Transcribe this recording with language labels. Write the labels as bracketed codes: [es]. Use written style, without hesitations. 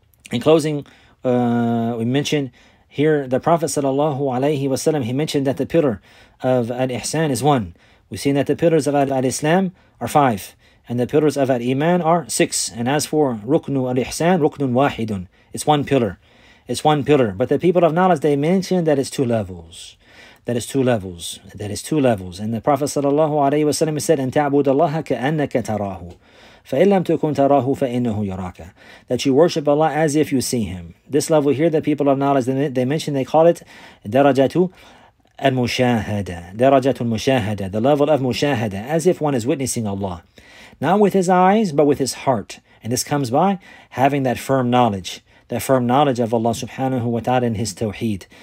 [en] In closing, we mention here the Prophet sallallahu alayhi wa sallam, he mentioned that the pillar of al-ihsan is one. We've seen that the pillars of al-islam are five and the pillars of al-iman are six. And as for ruknu al-ihsan, [ar] ruknun wahidun, [en] it's one pillar. But the people of knowledge, they mentioned that it's two levels. That is two levels. And the Prophet sallallahu alayhi wa sallam said, [ar] أَن تَعْبُدَ اللَّهَ كَأَنَّكَ تَرَاهُ فَإِنْ لَمْ تُكُنْ تَرَاهُ فَإِنَّهُ يُرَاكَ. [en] That you worship Allah as if you see Him. This level here, the people of knowledge, they mention, they call it [ar] دَرَجَةُ الْمُشَاهَدَ. دَرَجَةُ الْمُشَاهَدَ. [en] The level of مُشَاهَدَ. As if one is witnessing Allah. Not with his eyes, but with his heart. And this comes by having that firm knowledge. The firm knowledge of Allah subhanahu wa ta'ala and His tawheed.